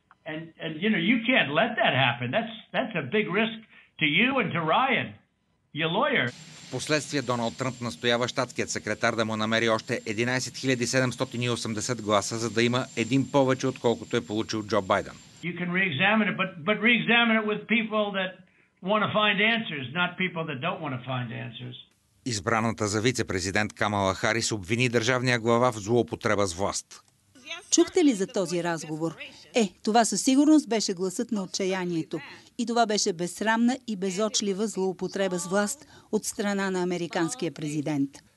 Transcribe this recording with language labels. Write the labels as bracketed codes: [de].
[en] And you know, you can't let that happen. That's a big risk to you and to Ryan, your lawyer. [bg] Впоследствие Доналд Тръмп настоява щатският секретар да му намери още 11 780 гласа, за да има един повече, отколкото е получил Джо Байден. [en] You can re-examine it, but re-examine it with people that want to find answers, not people that don't want to find answers. [bg] Избраната за вице-президент Камала Харис обвини държавния глава в злоупотреба с власт. Чухте ли за този разговор? Е, това със сигурност беше гласът на отчаянието. И това беше безсрамна и безочлива злоупотреба с власт от страна на американския президент.